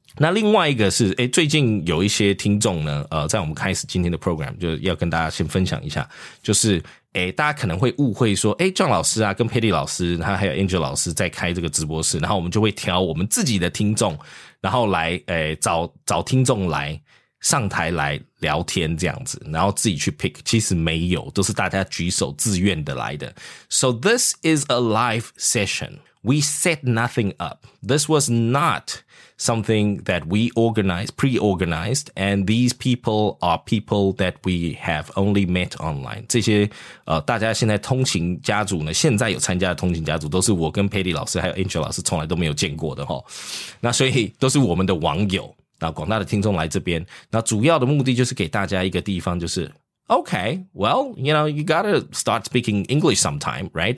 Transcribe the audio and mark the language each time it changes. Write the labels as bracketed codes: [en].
[zh] 那另外一个是最近有一些听众呢在我们开始今天的 program 就要跟大家先分享一下，就是大家可能会误会说John 老师啊跟 Patty 老师他还有 Angel 老师在开这个直播室，然后我们就会挑我们自己的听众，然后来找听众来上台来聊天这样子，然后自己去 pick， 其实没有，都是大家举手自愿的来的。 [en] So this is a live session. We set nothing up. This was notsomething that we organized, pre-organized, and these people are people that we have only met online. [zh] 这些大家现在通勤家族呢，现在有参加的通勤家族都是我跟 Patty 老师还有 Angel 老师从来都没有见过的齁。那所以都是我们的网友，那广大的听众来这边，那主要的目的就是给大家一个地方，就是 [en] okay, well, you know, you gotta start speaking English sometime, right?